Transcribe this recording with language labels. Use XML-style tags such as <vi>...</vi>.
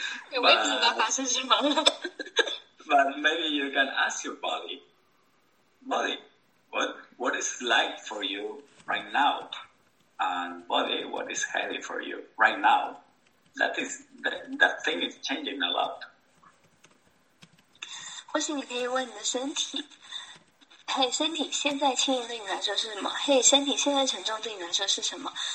<zh>对，我也不知道发生什么了。</zh> <en>but maybe you can ask your body, body, what is light for you right now? And body, what is heavy for you right now? That thing is changing a lot.</en> <zh>或许你可以问你的身体，嘿，身体现在轻盈对你来说是什么？嘿，身体现在沉重对你来说是什么？</zh>